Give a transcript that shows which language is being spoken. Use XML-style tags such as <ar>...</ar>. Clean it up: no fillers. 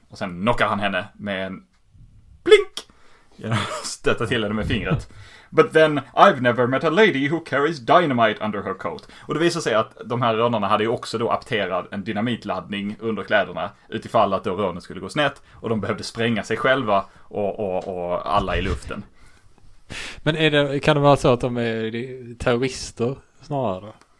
<sv>Och sen knockar han henne med en blink genom att stötta till henne med fingret.</sv> <en>But then I've never met a lady who carries dynamite under her coat.</en> <sv>Och det visar sig att de här rönnarna hade ju också då apterat en dynamitladdning under kläderna utifall att då rönnen skulle gå snett och de behövde spränga sig själva och alla i luften. Men är det, kan det vara så att de är terrorister snarare?</sv>